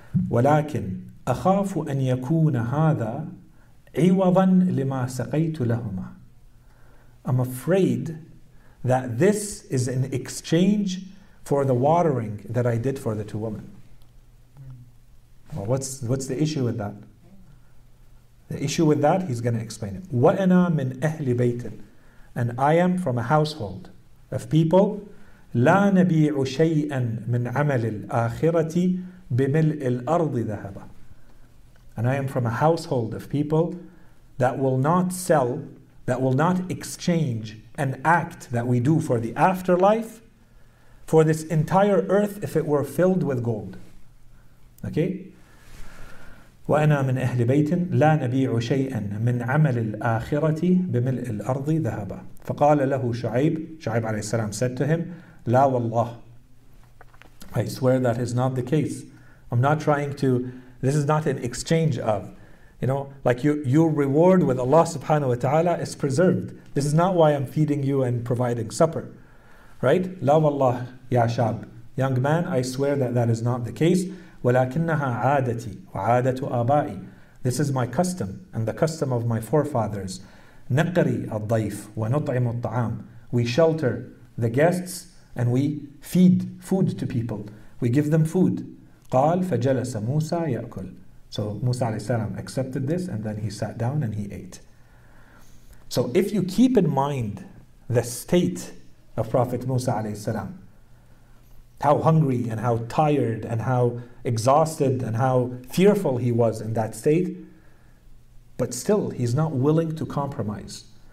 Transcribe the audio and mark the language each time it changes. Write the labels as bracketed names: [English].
[Arabic] ولكن أخاف أن يكون هذا عوضا لما سقيت لهما. [English] I'm afraid that this is an exchange for the watering that I did for the two women. Well, what's the issue with that? The issue with that, he's going to explain it. [Arabic] وأنا من أهل بيت, [English] and I am from a household of people. [Arabic] لا نبيع شيئا من عمل الآخرة بملء الأرض ذهبا. [English] And I am from a household of people that will not sell, that will not exchange an act that we do for the afterlife for this entire earth if it were filled with gold. Okay? [Arabic] وأنا من أهل بيت لا نبيع شيئا من عمل الآخرة بملء الأرض ذهبا. فقال له شعيب, شعيب عليه السلام [English] said to him, [Arabic] لا والله. [English] I swear that is not the case. I'm not trying to, this is not an exchange of, you know, like your reward with Allah subhanahu wa ta'ala is preserved. This is not why I'm feeding you and providing supper. Right? [Arabic] لا والله يا شاب. [English] Young man, I swear that that is not the case. [Arabic] ولكنها عادتي وعادة آبائي. [English] This is my custom and the custom of my forefathers. [Arabic] نقري الضيف ونطعم الطعام. [English] We shelter the guests and we feed food to people. We give them food. [Arabic] قال فجلس موسى يأكل. [English] So Musa alayhi salam accepted this and then he sat down and he ate. So if you keep in mind the state of Prophet Musa alayhi salam, how hungry and how tired and how exhausted and how fearful he was in that state, but still he's not willing to compromise.